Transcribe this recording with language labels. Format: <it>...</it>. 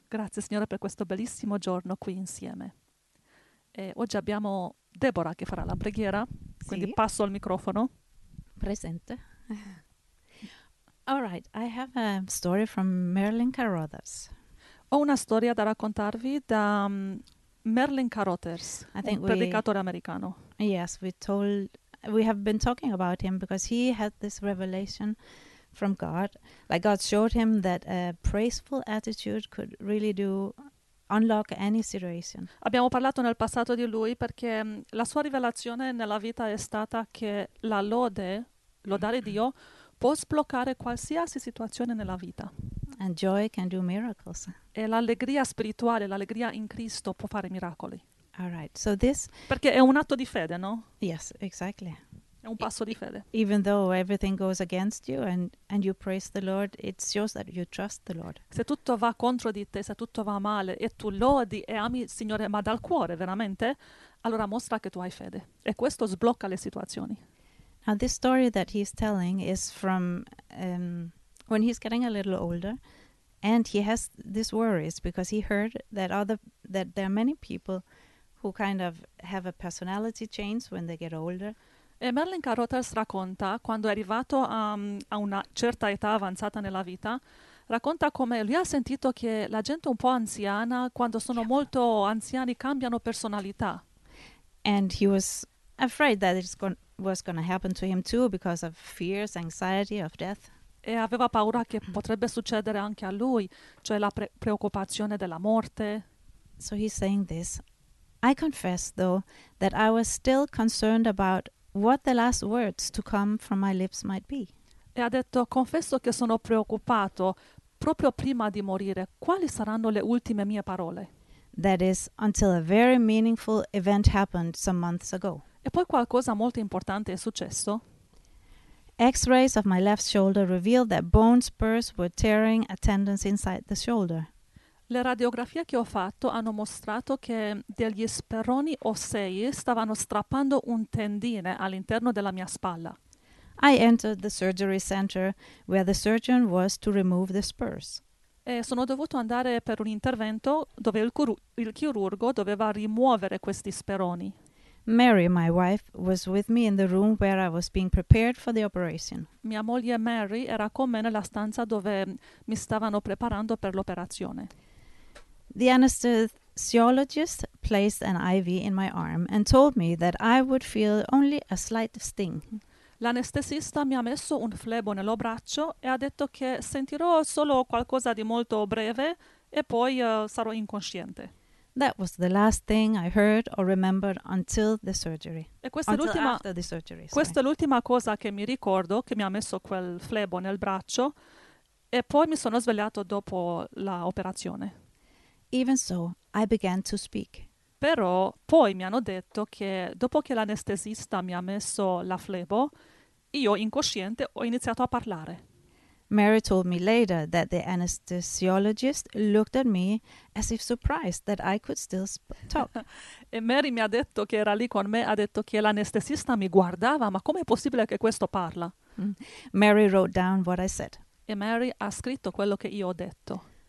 <it>Grazie, Signore, per questo bellissimo giorno qui insieme. E oggi abbiamo Deborah che farà la preghiera, sì. Quindi passo il microfono. Presente.</it> <en>All right, I have a story from Marilyn Carothers.</en> <it>Ho una storia da raccontarvi da Marilyn Carothers, un predicatore americano.</it> <en>Yes, we have been talking about him because he had this revelation from God. Like God showed him that a praiseful attitude could really do unlock any situation.</en> <it>Abbiamo parlato nel passato di lui perché la sua rivelazione nella vita è stata che la lode, lodare Dio, può sbloccare qualsiasi situazione nella vita.</it> <en>And joy can do miracles.</en> <it>E l'allegria spirituale, l'allegria in Cristo può fare miracoli.</it> <en>All right. So this,</en> <it>perché è un atto di fede, no?</it> <en>Yes, exactly.</en> <it>È un passo di fede.</it> <en>Even though everything goes against you and you praise the Lord, it shows that you trust the Lord.</en> <it>Se tutto va contro di te, se tutto va male e tu lodi e ami il Signore, ma dal cuore veramente, allora mostra che tu hai fede. E questo sblocca le situazioni.</it> <en>Now this story that he's telling is from when he's getting a little older and he has these worries because he heard that there are many people who kind of have a personality change when they get older.</en> <it>E Marilyn Carothers racconta, quando è arrivato a una certa età avanzata nella vita, racconta come lui ha sentito che la gente un po' anziana, quando sono molto anziani, cambiano personalità.</it> <en>And he was afraid that it was going to happen to him too because of fears, anxiety of death.</en> <it>E aveva paura che potrebbe succedere anche a lui, cioè la preoccupazione della morte.</it> <en>So he's saying this. I confess, though, that I was still concerned about what the last words to come from my lips might be.</en> <it>E ha detto, confesso che sono preoccupato, proprio prima di morire, quali saranno le ultime mie parole?</it> <en>That is, until a very meaningful event happened some months ago.</en> <it>E poi qualcosa molto importante è successo.</it> <en>X-rays of my left shoulder revealed that bone spurs were tearing a tendon inside the shoulder.</en> <it>Le radiografie che ho fatto hanno mostrato che degli speroni ossei stavano strappando un tendine all'interno della mia spalla.</it> <en>I entered the surgery center where the surgeon was to remove the spurs.</en> <it>E sono dovuto andare per un intervento dove il chirurgo doveva rimuovere questi speroni.</it> <en>Mary, my wife, was with me in the room where I was being prepared for the operation.</en> <it>Mia moglie Mary era con me nella stanza dove mi stavano preparando per l'operazione.</it> <en>The anesthesiologist placed an IV in my arm and told me that I would feel only a slight sting.</en> <it>L'anestesista mi ha messo un flebo nello braccio e ha detto che sentirò solo qualcosa di molto breve e poi sarò incosciente.</it> <en>That was the last thing I heard or remembered until the surgery.</en> <it>Questa è l'ultima cosa che mi ricordo, che mi ha messo quel flebo nel braccio e poi mi sono svegliato dopo l'operazione.</it> <en>Even so, I began to speak.</en> <it>Però poi mi hanno detto che dopo che l'anestesista mi ha messo la flebo, io incosciente ho iniziato a parlare.</it> <en>Mary told me later that the anesthesiologist looked at me as if surprised that I could still talk.</en> <it>E Mary mi ha detto che era lì con me, ha detto che l'anestesista mi guardava, ma com'è possibile che questo parla?</it> <en>Mary wrote down what I said.</en> <it>E Mary ha scritto quello che io ho detto.</it>